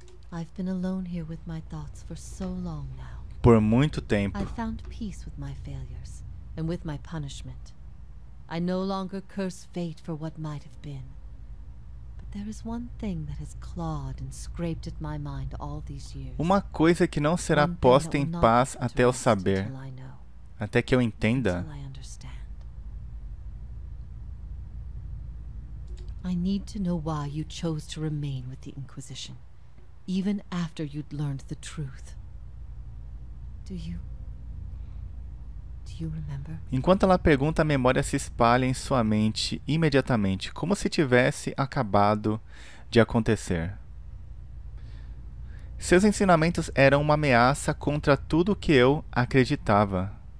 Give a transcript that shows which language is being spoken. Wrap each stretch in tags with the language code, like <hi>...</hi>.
<en>I've been alone here with my thoughts for so long now.</en> <pt>Por muito tempo.</pt> <en>I found peace with my failures and with my punishment. I no longer curse fate for what might have been. There is one thing that has clawed and scraped at my mind all these years.</en> <pt>Uma coisa que não será posta em paz até eu saber. Até que eu entenda.</pt> <en>I need to know why you chose to remain with the Inquisition, even after you'd learned the truth. Do you remember?</en> <pt>Enquanto ela pergunta, a memória se espalha em sua mente imediatamente, como se tivesse acabado de acontecer. Seus ensinamentos eram uma ameaça contra tudo o que eu acreditava.</pt>